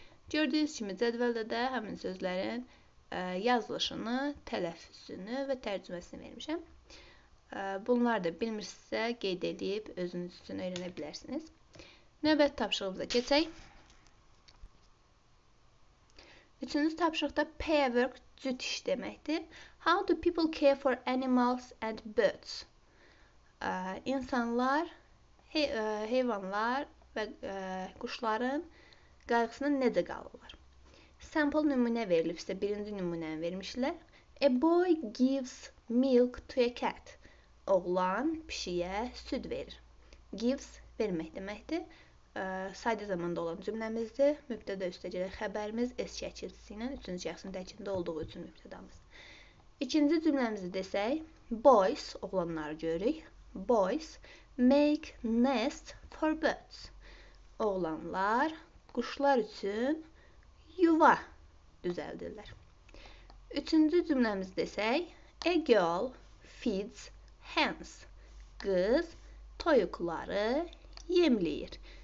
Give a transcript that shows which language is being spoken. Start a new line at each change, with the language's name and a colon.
Azerbaijani: Gördüyünüz kimi cədvəldə də həmin sözlərin yazılışını, tələffüzünü və tərcüməsini vermişəm. Bunlar da bilmirsinizsə qeyd edib özünüz üçün öyrənə bilərsiniz. Növbəti tapşırığımıza keçək. Üçüncü tapşırıqda
English: pair work
Azerbaijani: cüt iş deməkdir.
English: How do people care for animals and birds?
Azerbaijani: İnsanlar, heyvanlar və quşların qayğısına necə qalırlar?
English: Sample
Azerbaijani: nümunə verilibsə, birinci nümunəni vermişlər.
English: A boy gives milk to a cat.
Azerbaijani: Oğlan pişiyə süd verir. Gives vermək deməkdir. Sadə zamanda olan cümləmizdir. Mübtədə üstə gələk xəbərimiz S şəkilçisi ilə üçüncü şəxsin təkində olduğu üçün mübtədamız. İkinci cümləmizi desək, boys, oğlanları görürük.
English: Boys make nest for birds.
Azerbaijani: Oğlanlar quşlar üçün yuva düzəldirlər. Üçüncü cümləmizi desək,
English: a girl feeds hens.
Azerbaijani: Qız toyuqları yemləyir.